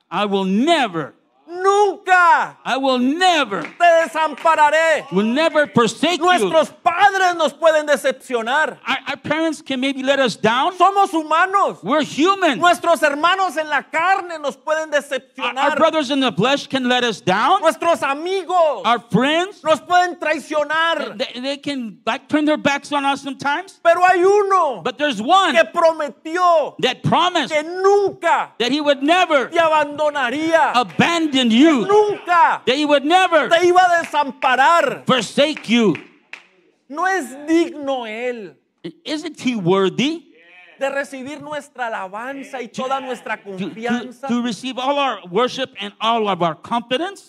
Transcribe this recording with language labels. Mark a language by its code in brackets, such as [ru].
[en] I will never. [es] Nunca. [en] I will never. [es] Te desampararé. [en] Will never forsake you. [es] Nuestros padres nos pueden decepcionar. [en] Our parents can maybe let us down. [es] Somos humanos. [en] We're human. [es] Nuestros hermanos en la carne nos pueden decepcionar. [en] Our brothers in the flesh can let us down. [es] Nuestros amigos. [en] Our friends. [es] Nos pueden traicionar. [en] They can like turn their backs on us sometimes. [es] Pero hay uno. [en] But there's one. [es] Que prometió. [en] That promised. [es] Que nunca. [en] That he would never. [es] Te abandonaría. [en] Abandon. In you, [es] nunca [en] that he would never [es] te iba a desamparar, [en] forsake you. [es] No es digno él. [en] Isn't he worthy? [es] De recibir nuestra alabanza y toda nuestra confianza. [en] To receive all our worship and all of our confidence.